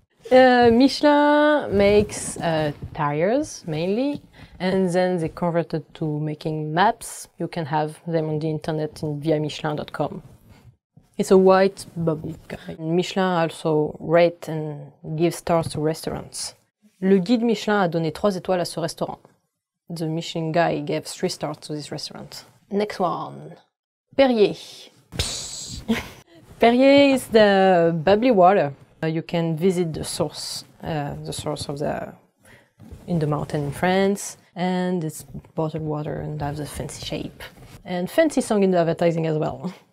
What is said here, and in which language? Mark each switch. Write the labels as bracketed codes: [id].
[en] Michelin makes tires, mainly. And then they converted to making maps. You can have them on the internet in viamichelin.com. It's a white bubble guy. Michelin also rate and give stars to restaurants. [fr] Le guide Michelin a donné 3 étoiles à ce restaurant. [en] The Michelin guy gave 3 stars to this restaurant. Next one. Perrier. Perrier is the bubbly water. You can visit the source of the in the mountain in France. And it's bottled water and has a fancy shape. And fancy song in the advertising as well.